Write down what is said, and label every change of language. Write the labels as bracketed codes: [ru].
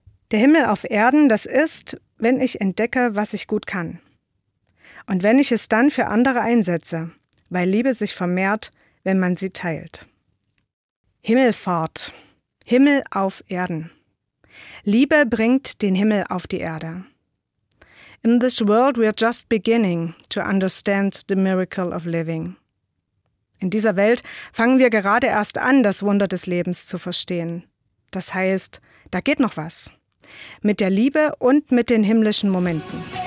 [de] Der Himmel auf Erden, das ist, wenn ich entdecke, was ich gut kann. Und wenn ich es dann für andere einsetze, weil Liebe sich vermehrt, wenn man sie teilt. Himmelfahrt. Himmel auf Erden. Liebe bringt den Himmel auf die Erde. [en] In this world we are just beginning to understand the miracle of living. [de] In dieser Welt fangen wir gerade erst an, das Wunder des Lebens zu verstehen. Das heißt, da geht noch was. Mit der Liebe und mit den himmlischen Momenten.